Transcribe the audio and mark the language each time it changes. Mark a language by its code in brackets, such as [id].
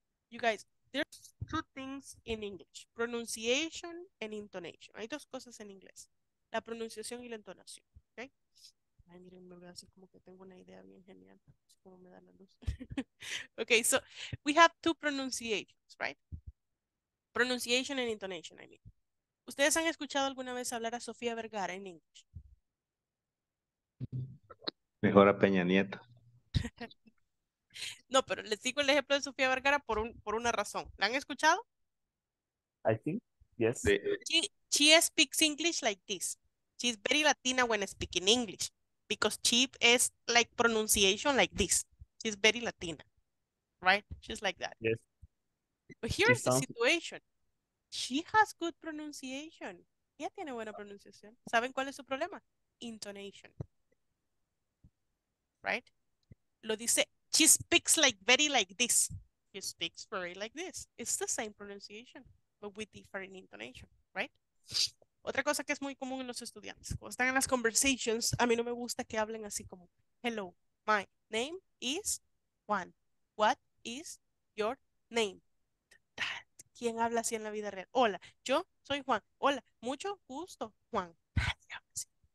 [en] You guys, there's two things in English, pronunciation and intonation. [es] Hay dos cosas en inglés, la pronunciación y la entonación, [en] okay? [es] Ay, miren, me voy a hacer como que tengo una idea bien genial. Es como me da la luz. [en] Okay, so we have two pronunciations, right? Pronunciation and intonation, I mean. [es] ¿Ustedes han escuchado alguna vez hablar a Sofía Vergara en [en] English? [es] Mejor a Peña Nieto. No, pero les digo el ejemplo de Sofía Vergara por una razón. ¿La han escuchado? [en] I think, yes. She speaks English like this. She's very Latina when speaking English. Because cheap is like pronunciation like this. She's very Latina, right? She's like that. Yes. But here's the situation. She has good pronunciation. [es] Ella tiene buena pronunciación. ¿Saben cuál es su problema? [en] Intonation. Right? [es] Lo dice, [en] she speaks like very like this. She speaks very like this. It's the same pronunciation, but with different intonation, right? [es] Otra cosa que es muy común en los estudiantes, cuando están en las [en] conversations, [es] a mí no me gusta que hablen así como, [en] hello, my name is Juan. What is your name? [es] ¿Quién habla así en la vida real? Hola, yo soy Juan. Hola, mucho gusto, Juan. Nadie habla así.